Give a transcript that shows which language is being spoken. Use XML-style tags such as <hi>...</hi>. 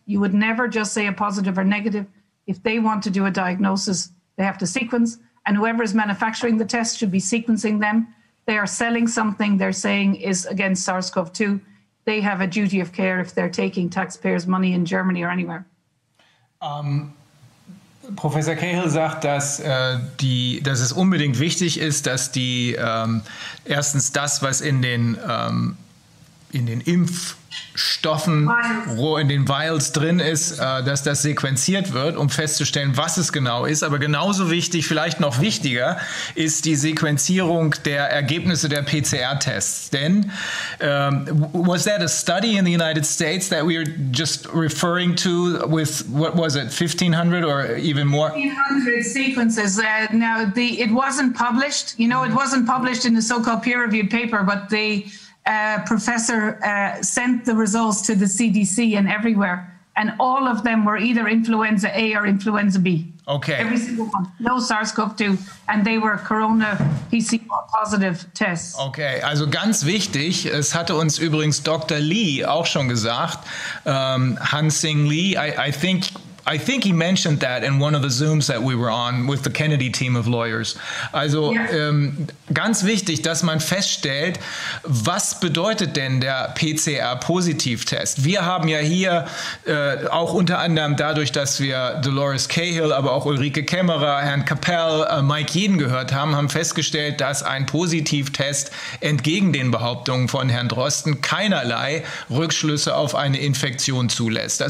<en>You would never just say a positive or negative. If they want to do a diagnosis, they have to sequence. And whoever is manufacturing the test should be sequencing them. They are selling something they're saying is against SARS-CoV-2. they have a duty of care if they're taking taxpayers' money in Germany or anywhere.</en> <de>Professor Cahill sagt, dass es unbedingt wichtig ist, dass die erstens das, was in den Impfstoffen, wo in den Vials drin ist, dass das sequenziert wird, um festzustellen, was es genau ist. Aber genauso wichtig, vielleicht noch wichtiger, ist die Sequenzierung der Ergebnisse der PCR-Tests.</de> <en>Denn was that a study in the United States that we were just referring to with, what was it, 1,500 or even more? 1,500 sequences. Now, it wasn't published. You know, it wasn't published in the so-called peer-reviewed paper, but they... professor sent the results to the CDC and everywhere, and all of them were either influenza A or influenza B. Okay. Every single one. No SARS-CoV-2. And they were Corona PCR positive tests.</en> <de>Okay, also ganz wichtig, es hatte uns übrigens Dr.</de> <en>Lee</en> <de>auch schon gesagt,</de> <en>Hansing Lee, I think he mentioned that in one of the Zooms that we were on with the Kennedy team of lawyers.</en> <de>Also ganz wichtig, dass man feststellt, was bedeutet denn der PCR-Positivtest? Wir haben ja hier auch unter anderem dadurch, dass wir Dolores Cahill, aber auch Ulrike Kämmerer, Herrn Capel, Mike Yeadon gehört haben, haben festgestellt, dass ein Positivtest entgegen den Behauptungen von Herrn Drosten keinerlei Rückschlüsse auf eine Infektion zulässt.</de>